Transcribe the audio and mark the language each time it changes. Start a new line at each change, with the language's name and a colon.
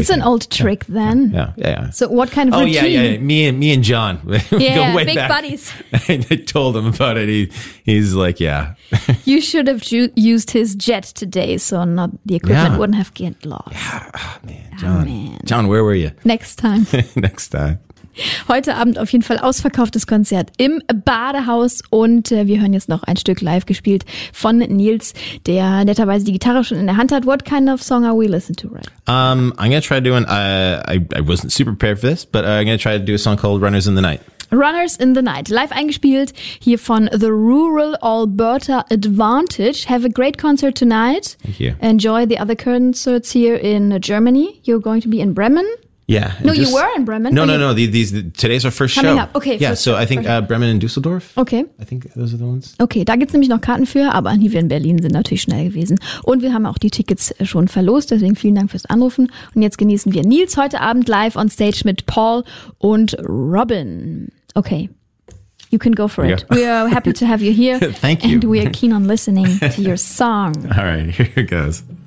English: It's an old trick then. Yeah. So what kind of routine? Oh, yeah. Me and John. Yeah, go way big back. Buddies. And I told him about it. He's like, yeah. You should have used his jet today, so not the equipment wouldn't have get lost. Yeah. Oh, man. John. Oh, man. John, where were you? Next time. Next time.
German: Heute Abend auf jeden Fall ausverkauftes Konzert im Badehaus und wir hören jetzt noch ein Stück live gespielt von Nils, der netterweise die Gitarre schon in der Hand hat.
English: What kind of song are we listening to, right? I'm gonna try doing, I wasn't super prepared for this, but I'm gonna try to do a song called Runners in the Night.
German: Runners in the Night, live eingespielt hier von The Rural Alberta Advantage.
English: Have a great concert tonight. Thank you. Enjoy the other concerts here in Germany. You're going to be in Bremen. Yeah. No, just, you were in Bremen. No. Today's our first coming show. Coming up. Okay. Yeah, so I think Bremen and Düsseldorf. Okay. I think those are the ones.
German: Okay, da gibt's nämlich noch Karten für, aber hier wir in Berlin sind natürlich schnell gewesen. Und wir haben auch die Tickets schon verlost, deswegen vielen Dank fürs Anrufen. Und jetzt genießen wir Nils heute Abend
English: live on stage
German: mit Paul und Robin.
English: Okay. You can go for it. Yeah. We are happy to have you here. Thank you. And we are keen on listening to your song. All right, here it goes.